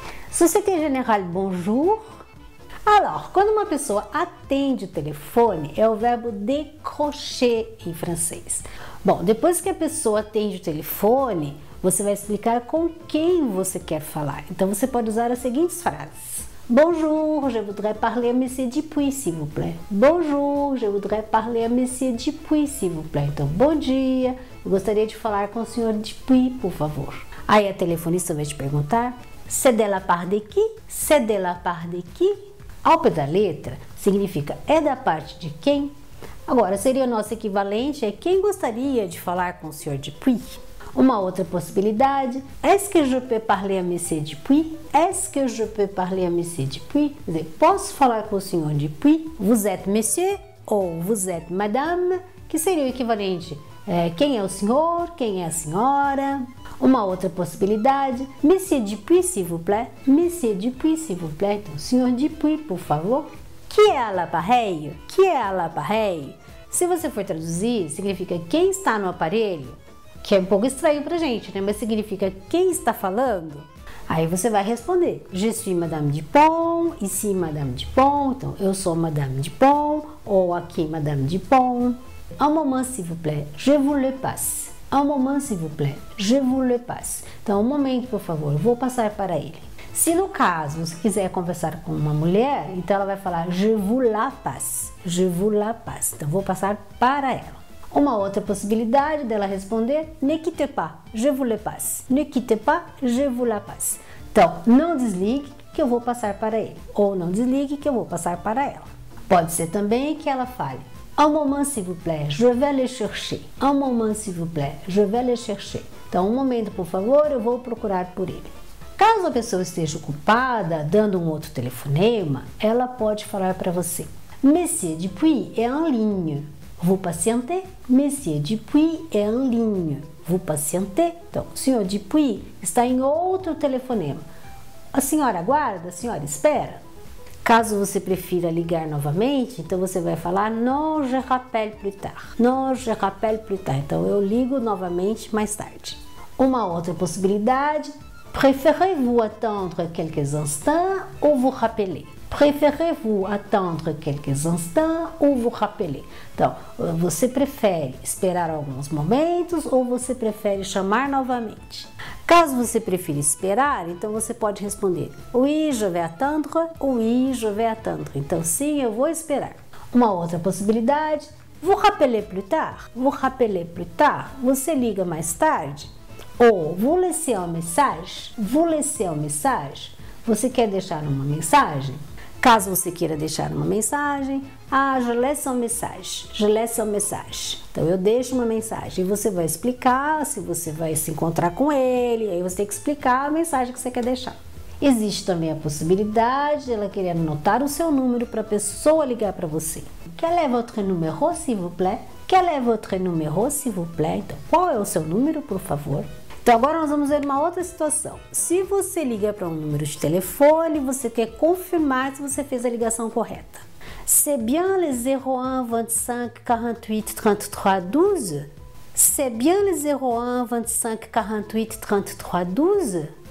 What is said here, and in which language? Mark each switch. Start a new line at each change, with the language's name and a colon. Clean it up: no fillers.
French: Société Générale, bonjour.
Portuguese: Alors, quando uma pessoa atende o telefone, é o verbo décrocher em francês. Bom, depois que a pessoa atende o telefone, você vai explicar com quem você quer falar. Então você pode usar as seguintes frases:
French: Bonjour, je voudrais parler à Monsieur Dupuis, s'il vous plaît. Bonjour, je voudrais parler à Monsieur Dupuis, s'il vous plaît.
Portuguese: Então, bom dia, eu gostaria de falar com o senhor Dupuis, por favor. Aí a telefonista vai te perguntar:
French: C'est de la part de qui? C'est de la part de qui?
Portuguese: Ao pé da letra, significa é da parte de quem? Agora, seria o nosso equivalente é quem gostaria de falar com o senhor Dupuis? Uma outra possibilidade,
French: est-ce que je peux parler à Monsieur Dupuis? Est-ce que je peux parler à Monsieur Dupuis?
Portuguese: Quer dizer, posso falar com o senhor Dupuis?
French: Vous êtes monsieur ou vous êtes madame?
Portuguese: Que seria o equivalente, quem é o senhor, quem é a senhora? Uma outra possibilidade,
French: Monsieur Dupuis, s'il vous plaît? Monsieur Dupuis, s'il vous plaît?
Portuguese: Então, senhor Dupuis, por favor.
French: Qui est l'appareil? Qui est l'appareil?
Portuguese: Se você for traduzir, significa quem está no aparelho. Que é um pouco estranho pra gente, né? Mas significa quem está falando? Aí você vai responder:
French: Je suis Madame Dupont, ici Madame Dupont.
Portuguese: Então, eu sou Madame Dupont, ou aqui Madame Dupont.
French: Un moment, s'il vous plaît, je vous le passe. Un moment, s'il vous plaît, je vous le passe.
Portuguese: Então, um momento, por favor, eu vou passar para ele. Se no caso você quiser conversar com uma mulher, então ela vai falar:
French: Je vous la passe. Je vous la passe.
Portuguese: Então, vou passar para ela. Uma outra possibilidade dela responder:
French: Ne quitte pas, je vous le passe. Ne quitte pas, je vous la passe.
Portuguese: Então, não desligue que eu vou passar para ele. Ou não desligue que eu vou passar para ela. Pode ser também que ela fale:
French: Un moment, s'il vous plaît, je vais le chercher. Un moment, s'il vous plaît, je vais le chercher.
Portuguese: Então, um momento, por favor, eu vou procurar por ele. Caso a pessoa esteja ocupada, dando um outro telefonema, ela pode falar para você:
French: Monsieur Dupuis est en ligne. Vous patientez? Monsieur Dupuis est en ligne. Vous patientez?
Portuguese: Então, o senhor Dupuis está em outro telefonema. A senhora aguarda? A senhora espera? Caso você prefira ligar novamente, então você vai falar:
French: Non, je rappelle plus tard. Non, je rappelle plus tard.
Portuguese: Então, eu ligo novamente mais tarde. Uma outra possibilidade:
French: Préférez-vous attendre quelques instants ou vous rappeler? Préférez-vous attendre quelques instants ou vous rappeler?
Portuguese: Então, você prefere esperar alguns momentos ou você prefere chamar novamente? Caso você prefira esperar, então você pode responder:
French: Oui, je vais attendre. Oui, je vais attendre.
Portuguese: Então, sim, eu vou esperar. Uma outra possibilidade:
French: Vous rappelez plus tard? Vous rappelez plus tard?
Portuguese: Você liga mais tarde? Ou
French: vous laissez un message? Vous laissez un message?
Portuguese: Você quer deixar uma mensagem? Caso você queira deixar uma mensagem,
French: je laisse un message. Je laisse un message.
Portuguese: Então eu deixo uma mensagem e você vai explicar se você vai se encontrar com ele, aí você tem que explicar a mensagem que você quer deixar. Existe também a possibilidade de ela querer anotar o seu número para a pessoa ligar para você.
French: Quel est votre numéro, s'il vous plaît? Quel est votre numéro, s'il vous plaît?
Portuguese: Então, qual é o seu número, por favor? Então, agora nós vamos ver uma outra situação. Se você liga para um número de telefone, você quer confirmar se você fez a ligação correta.
French: C'est bien le 01 25 48 33 12? C'est bien le 01 25 48 33 12?